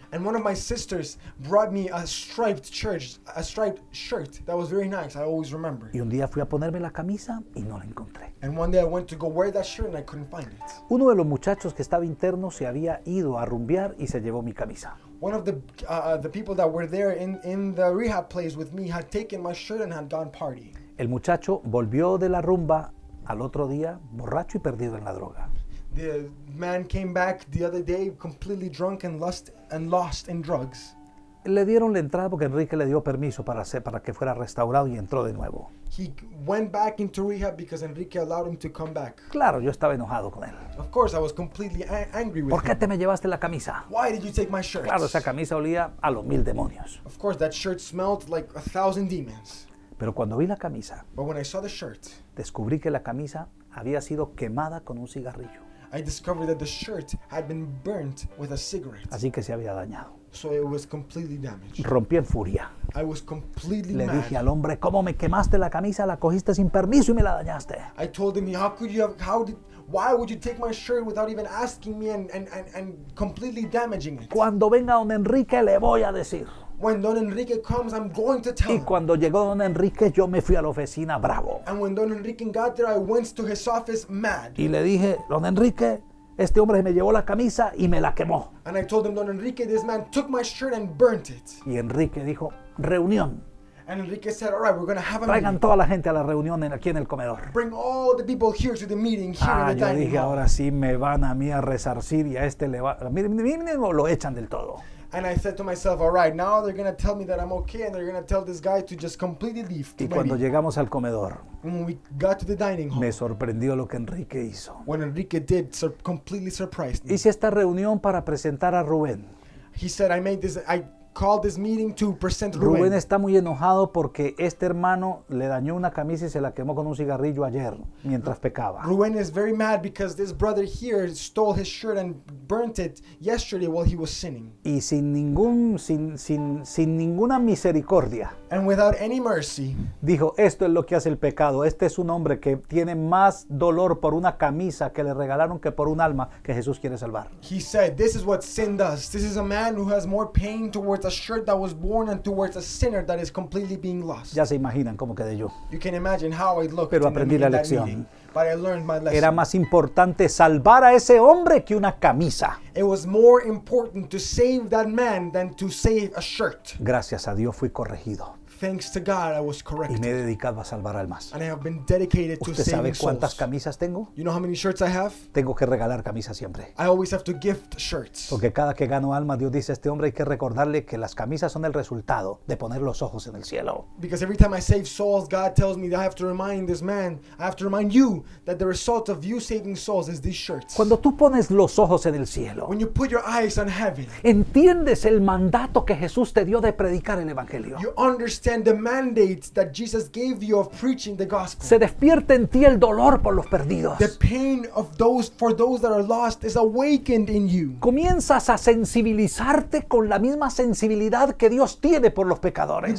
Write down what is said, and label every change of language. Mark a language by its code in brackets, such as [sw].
[en] And one of my sisters brought me a striped shirt that was very nice. I always remember. [es] Y un día fui a ponerme la camisa y no la encontré. [en] And one day I went to go wear that shirt and I couldn't find it. [es] Uno de los muchachos que estaba interno se había ido a rumbear y se llevó mi camisa. [en] One of the people that were there in the rehab place with me had taken my shirt and had gone party. [es] El muchacho volvió de la rumba al otro día borracho y perdido en la droga. [en] The man came back the other day completely drunk and lost in drugs. [es] Le dieron la entrada porque Enrique le dio permiso para que fuera restaurado y entró de nuevo. [en] He went back into rehab because Enrique allowed him to come back. [es] Claro, yo estaba enojado con él. [en] Of course, I was completely angry with him. [es] ¿Por qué te me llevaste la camisa? [en] Why did you take my shirt? [es] Claro, esa camisa olía a los mil demonios. [en] Of course, that shirt smelled like a thousand demons. [es] Pero cuando vi la camisa, [en] but when I saw the shirt, [es] descubrí que la camisa había sido quemada con un cigarrillo. [en] I discovered that the shirt had been burnt with a cigarette. [es] Así que se había dañado. [en] So it was completely damaged. [es] Rompí en furia. [en] I was completely [es] Le [en] mad. [es] Dije al hombre, ¿cómo me quemaste la camisa? La cogiste sin permiso y me la dañaste. [en] I told him, why would you take my shirt without even asking me and completely damaging it? [es] Cuando venga don Enrique, le voy a decir. [en] When Don Enrique comes, I'm going to tell [es] him. Y cuando llegó Don Enrique, yo me fui a la oficina bravo. [en] And when Don Enrique got there, I went to his office mad. [es] Y le dije, Don Enrique, este hombre me llevó la camisa y me la quemó. [en] And I told him, Don Enrique, this man took my shirt and burnt it. [es] Y Enrique dijo, reunión. [en] And Enrique said, all right, we're going to have a [es] Traigan [en] meeting. [es] Traigan toda la gente a la reunión aquí en el comedor. [en] Bring all the people here to the meeting here in the dining [es] room. Ah, yo dije, ahora sí me van a mí a resarcir y a este le va. Miren, lo echan del todo. [en] And I said to myself, all right, now they're going to tell me that I'm okay and they're going to tell this guy to just completely leave. [es] Y cuando llegamos al comedor, [en] when we got to the dining hall, [es] me sorprendió lo que Enrique hizo. [en] When Enrique did, completely surprised me. [es] Hice esta reunión para presentar a Rubén. [en] He said, I made this, I call this meeting to present Rubén. [es] Rubén está muy enojado porque este hermano le dañó una camisa y se la quemó con un cigarrillo ayer mientras pecaba. [en] Rubén is very mad because this brother here stole his shirt and burnt it yesterday while he was sinning. [es] Y sin ninguna misericordia. [en] And without any mercy. [es] Dijo, esto es lo que hace el pecado. Este es un hombre que tiene más dolor por una camisa que le regalaron que por un alma que Jesús quiere salvar. [en] He said, this is what sin does. This is a man who has more pain towards a shirt that was born and towards a sinner that is completely being lost. [es] Ya se imaginan cómo quedé yo. [en] You can imagine how I looked. [es] Pero aprendí la lección. [en] But I learned my lesson. [es] Era más importante salvar a ese hombre que una camisa. [en] It was more important to save that man than to save a shirt. [es] Gracias a Dios fui corregido. [en] Thanks to God, I was corrected. [es] Y me he dedicado a salvar almas. [en] And I have been dedicated to saving souls. [es] ¿Usted sabe cuántas camisas tengo? [en] You know how many shirts I have? [es] Tengo que regalar camisas siempre. [en] I always have to gift shirts. [es] Porque cada que gano alma, Dios dice, este hombre hay que recordarle que las camisas son el resultado de poner los ojos en el cielo. [en] Because every time I save souls, God tells me that I have to remind this man, I have to remind you that the result of you saving souls is these shirts. [es] Cuando tú pones los ojos en el cielo, [en] when you put your eyes on heaven, [es] entiendes el mandato que Jesús te dio de predicar el evangelio. [en] You understand and the mandate that Jesus gave you of preaching the gospel. [es] Se despierta en ti el dolor por los perdidos. [en] The pain of those that are lost is awakened in you. [es] Comienzas a sensibilizarte con la misma sensibilidad que Dios tiene por los pecadores.